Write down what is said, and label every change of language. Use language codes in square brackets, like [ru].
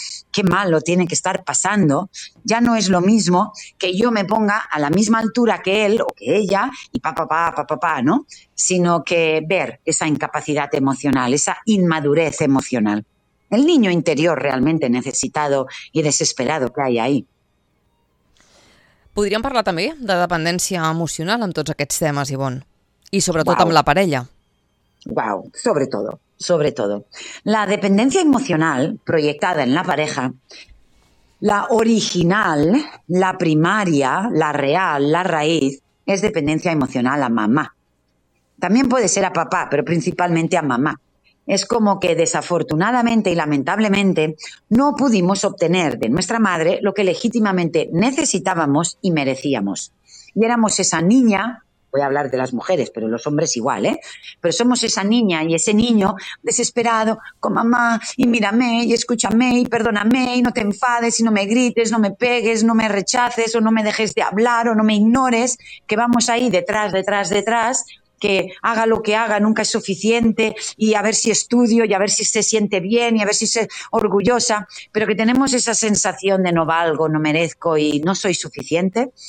[es] ¡Qué malo tiene que estar pasando! Ya no es lo mismo que yo me ponga a la misma altura que él o que ella y pa, pa, pa, ¿no? Sino que ver esa incapacidad emocional, esa inmadurez emocional. El niño interior realmente necesitado y desesperado que hay ahí. [ca] Podríem parlar també de dependència emocional amb tots aquests temes, Ivonne, i sobretot amb la parella. Wow, sobretot. La dependència emocional projectada en la pareja, la original, la primària, la real, la raïs, és dependència emocional a mamà. També pot ser a papà, però principalment a mamà. [es] Es como que desafortunadamente y lamentablemente no pudimos obtener de nuestra madre lo que legítimamente necesitábamos y merecíamos. Y éramos esa niña, voy a hablar de las mujeres, pero los hombres igual, pero somos esa niña y ese niño desesperado con mamá y mírame y escúchame y perdóname y no te enfades y no me grites, no me pegues, no me rechaces o no me dejes de hablar o no me ignores, que vamos ahí detrás, que haga lo que haga, nunca es suficiente, y a ver si estudio, y a ver si se siente bien, y a ver si se orgullosa, pero que tenemos esa sensación de no valgo, no merezco y no soy suficiente.